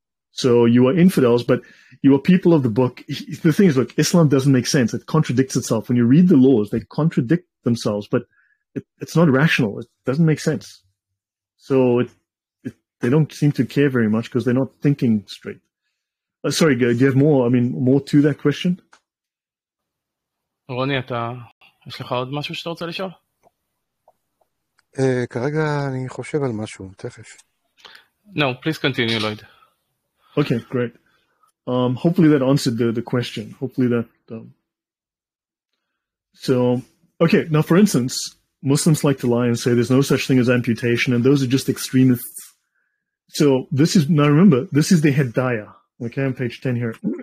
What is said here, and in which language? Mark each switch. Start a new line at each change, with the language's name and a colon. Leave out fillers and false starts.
English: So you are infidels, but you are people of the book. The thing is, look, Islam doesn't make sense. It contradicts itself. When you read the laws, they contradict themselves, but it's not rational. It doesn't make sense. So it they don't seem to care very much because they're not thinking straight. Sorry, do you have more? I mean, more to that question?
Hebrew: רוני, אתה, יש לך עוד משהו שאתה רוצה לשאול? כרגע אני חושב על משהו, תכף.
English: No, please continue, Lloyd. Okay, great. Hopefully that answered the question. Hopefully that... So, okay, now for instance, Muslims like to lie and say there's no such thing as amputation, and those are just extremists. So this is, now remember, this is the Hidayah. Okay, on page 10 here.